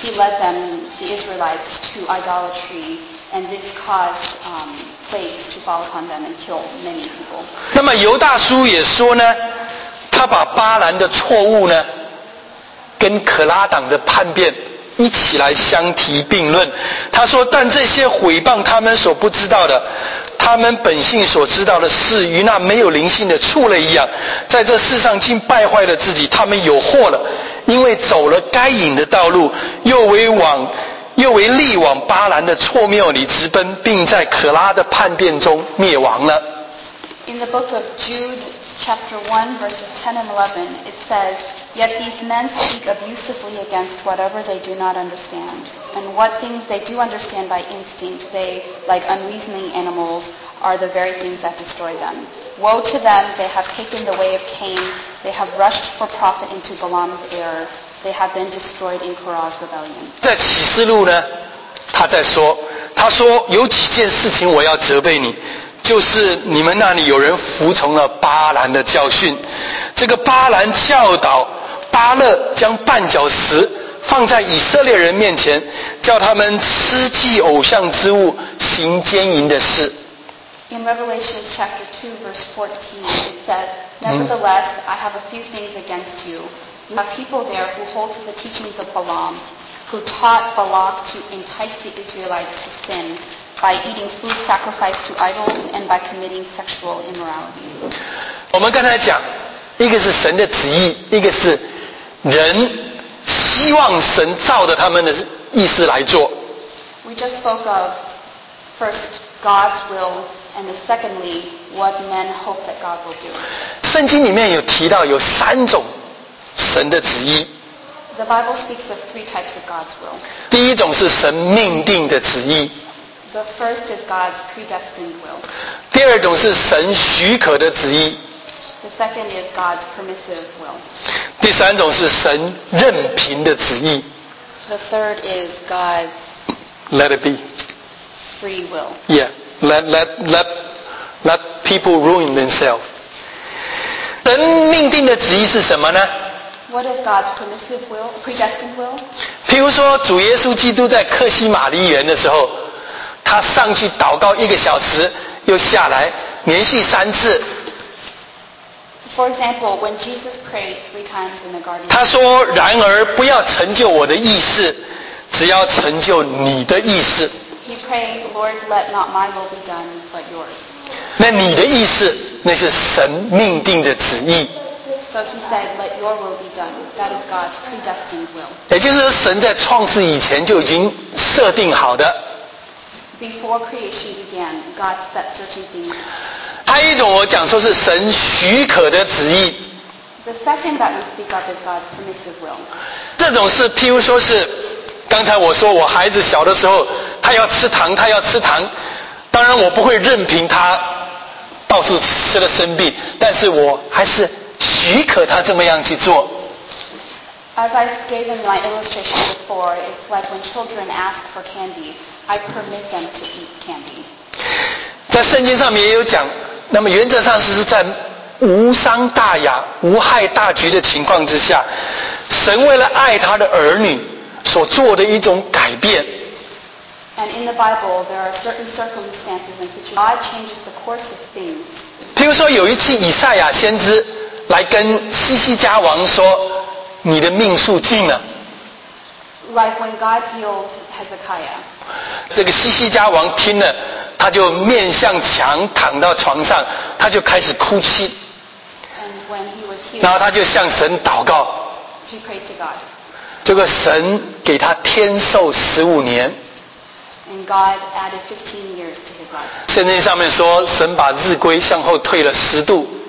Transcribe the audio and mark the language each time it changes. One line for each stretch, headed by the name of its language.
English: he led them, the Israelites, to idolatry, and this caused plagues to fall upon them and kill many people.
Chinese: 那么犹大书也说呢，他把巴兰的错误呢，跟可拉党的叛变一起来相提并论。他说，但这些毁谤他们所不知道的，他们本性所知道的事，与那没有灵性的畜类一样，在这世上竟败坏了自己，他们有祸了，因为走了该隐的道路，又为力往巴兰的错谬里直奔，并在可拉的叛变中灭亡了。
English: In the book of Jude, chapter 1, verses 10 and 11, it says, Yet these men speak abusively against whatever they do not understand. And what things they do understand by instinct, they, like unreasoning animals, are the very things that destroy them. Woe to them, they have taken the way of Cain, they have rushed for profit into Balaam's error, they have been destroyed in Korah's rebellion.
Chinese: 在启示录呢，他在说，他说有几件事情我要责备你，就是你们那里有人服从了巴兰的教训，这个巴兰教导巴勒将绊脚石放在以色列人面前，叫他们吃祭偶像之物，行奸淫的事。
English: In Revelation chapter 2, verse 14, it says, Nevertheless, I have a few things against you. You have people there who hold to the teachings of Balaam, who taught Balak to entice the Israelites to sin by eating food sacrificed to idols and by committing sexual immorality.
Chinese: 我们刚才讲，一个是神的旨意，一个是人希望神照着他们的意思来做。
English: We just spoke of first God's will. And secondly, what men hope that God will do.
Chinese: 圣经里面有提到有三种神的旨意。
English: The Bible speaks of three types of God's will.
Chinese: 第一种是神命定的旨意。
English: The first is God's predestined will.
Chinese: 第二种是神许可的旨意。
English: The second is God's permissive will.
Chinese: 第三种是神任凭的旨意。
English: The third is God's Let it be. Free will. Yeah. Let people ruin themselves.
Chinese: 神命定的旨意是什么呢？
English: What is God's permissive will, predestined will?
Chinese: 譬如说，主耶稣基督在客西马尼园的时候，他上去祷告一个小时，又下来，连续三次。
English: For example, when Jesus prayed three times in the garden,
Chinese: 他说：“然而不要成就我的意思，只要成就你的意思。”
English: He prayed, Lord, let not my will be done, but yours.
Chinese: 那你的意思，那是神命定的旨意。
English: So he said, let your will be done. That is God's predestined will.
Chinese: 也就是神在创世以前就已经设定好的。
English: Before creation began, God set certain things.
Chinese: 还有一种我讲说是神许可的旨意。
English: The second that we speak of is God's permissive will.
Chinese: 这种是譬如说是刚才我说我孩子小的时候他要吃糖，他要吃糖，当然我不会任凭他到处吃了生病，但是我还是许可他这么样去做。
English: As I gave in my illustration before, it's like when children ask for candy, I permit them to eat candy.
Chinese: 在圣经上面也有讲，那么原则上是在无伤大雅、无害大局的情况之下，神为了爱他的儿女所做的一种改变。
English: And in the Bible, there are certain circumstances in which God changes the course of things.
Chinese: 譬如说，有一次以赛亚先知来跟西西家王说：“你的命数尽了。”
English: Like when God healed Hezekiah.
Chinese: 这个西西家王听了，他就面向墙躺到床上，他就开始哭泣。
English: And when he was healed,
Chinese: 然后他就向神祷告。
English: He prayed to God.
Chinese: 这个神给他天寿十五年。
English: And God added 15 years to his life.
Chinese: 圣经上面说，神把日晷向后退了十度。